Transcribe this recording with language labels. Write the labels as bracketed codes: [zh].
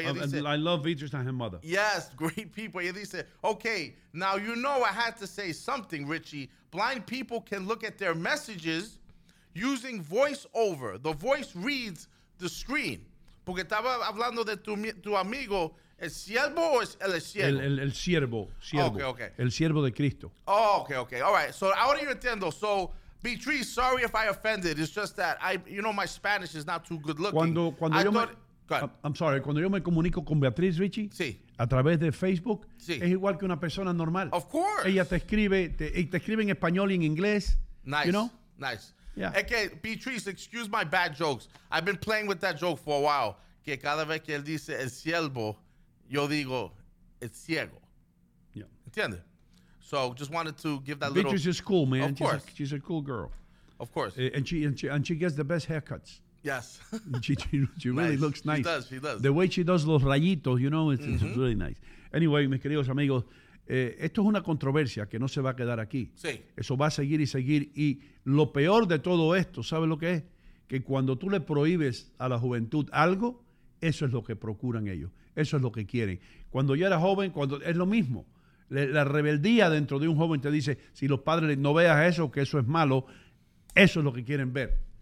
[es] Ella dice, [en] I love Beatrice and her mother. Yes, great people. [es] Ella dice, [en] okay, now you know I had to say something, Richie. Blind people can look at their messages using voiceover. The voice reads the screen. [es] Porque estaba hablando de tu amigo, el siervo o el siervo? El siervo. [en] Okay. [es] El siervo de Cristo. [en] Oh, okay. All right. So [es] ahora yo entiendo. [en] So, Beatrice, sorry if I offended. It's just that my Spanish is not too good looking. [es] Cuando yo me comunico con Beatriz, Richie, sí, a través de Facebook, sí, es igual que una persona normal. [en] Of course. [es] Ella te escribe en español y en inglés. [en] Nice. You know? Nice. Yeah. Okay, Beatrice, excuse my bad jokes. I've been playing with that joke for a while. [es] Que cada vez que él dice el siervo, yo digo el ciego. [en] Yeah. [es] ¿Entiende? [en] So just wanted to give that Beatrice little. Beatrice is cool, man. Of course, she's a cool girl. Of course. And she gets the best haircuts. Yes. she really looks nice. She does. The way she does [es] los rayitos, [en] you know, it's mm-hmm. really nice. [es] Anyway, mis queridos amigos, esto es una controversia que no se va a quedar aquí. Sí. Eso va a seguir y seguir. Y lo peor de todo esto, ¿sabes lo que es? Que cuando tú le prohíbes a la juventud algo, eso es lo que procuran ellos. Eso es lo que quieren. Cuando yo era joven, es lo mismo. La rebeldía dentro de un joven te dice, si los padres no veas eso, que eso es malo, eso es lo que quieren ver.